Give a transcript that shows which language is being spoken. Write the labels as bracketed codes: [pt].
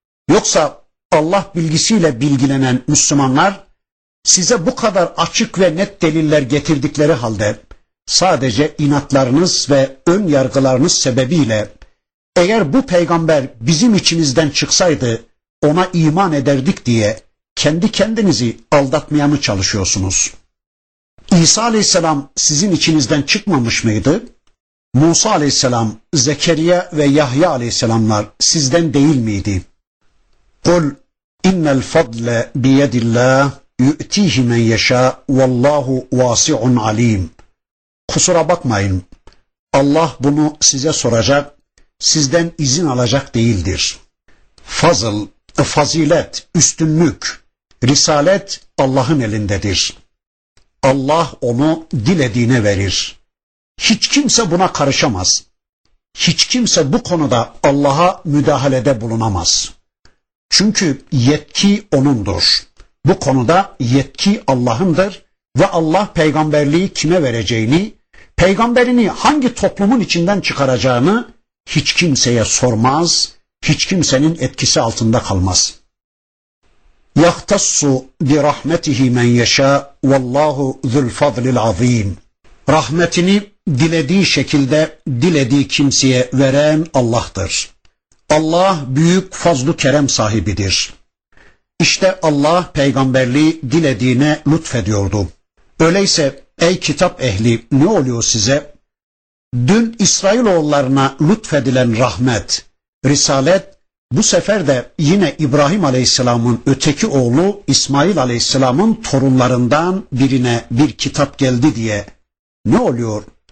[tr] Yoksa Allah bilgisiyle bilgilenen Müslümanlar size bu kadar açık ve net deliller getirdikleri halde sadece inatlarınız ve ön yargılarınız sebebiyle eğer bu peygamber bizim içimizden çıksaydı ona iman ederdik diye kendi kendinizi aldatmaya mı çalışıyorsunuz? İsa aleyhisselam sizin içinizden çıkmamış mıydı? Musa aleyhisselam, Zekeriya ve Yahya aleyhisselamlar sizden değil miydi? [ar] قُلْ اِنَّ الْفَضْلَ بِيَدِ اللّٰهِ يُؤْتِيهِ مَنْ يَشَاءُ وَاللّٰهُ وَاسِعٌ عَل۪يمٌ [tr] Kusura bakmayın, Allah bunu size soracak, sizden izin alacak değildir. Fazıl, fazilet, üstünlük, risalet Allah'ın elindedir. Allah onu dilediğine verir. Hiç kimse buna karışamaz. Hiç kimse bu konuda Allah'a müdahalede bulunamaz. Çünkü yetki O'nundur. Bu konuda yetki Allah'ındır ve Allah peygamberliği kime vereceğini, peygamberini hangi toplumun içinden çıkaracağını hiç kimseye sormaz, hiç kimsenin etkisi altında kalmaz. [ar] يَخْتَصُّ بِرَحْمَتِهِ مَنْ يَشَاءُ وَاللّٰهُ ذُو الْفَضْلِ الْعَظِيمِ [tr] Rahmetini dilediği şekilde dilediği kimseye veren Allah'tır. Allah büyük fazlu kerem sahibidir. İşte Allah peygamberliği dilediğine lütfediyordu. Öyleyse ey kitap ehli ne oluyor size? Dün İsrailoğullarına lütfedilen rahmet, risalet bu sefer de yine İbrahim aleyhisselamın öteki oğlu İsmail aleyhisselamın torunlarından birine bir kitap geldi diye ne oluyor?